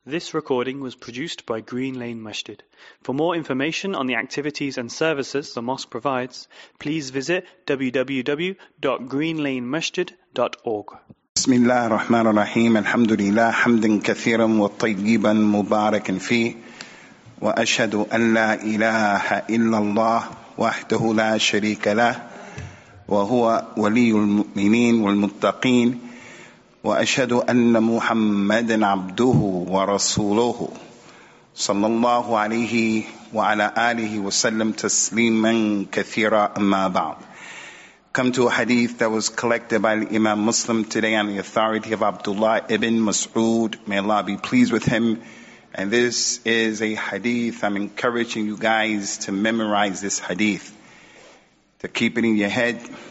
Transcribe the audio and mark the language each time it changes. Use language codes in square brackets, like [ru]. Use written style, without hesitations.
[en] This recording was produced by Green Lane Masjid. For more information on the activities and services the mosque provides, please visit www.greenlanemasjid.org. [ar] بسم الله الرحمن الرحيم الحمد لله حمدا كثيرا وطيبا مباركا فيه وأشهد أن لا إله إلا الله وحده لا شريك له وهو ولي المؤمنين والمتقين وأشهد أن محمدا عبده ورسوله صلى الله عليه وعلى آله وسلم تسليما كثيرا أما بعد. [en] Come to a hadith that was collected by Imam Muslim today on the authority of Abdullah ibn Mas'ud. May Allah be pleased with him. And this is a hadith. I'm encouraging you guys to memorize this hadith, to keep it in your head.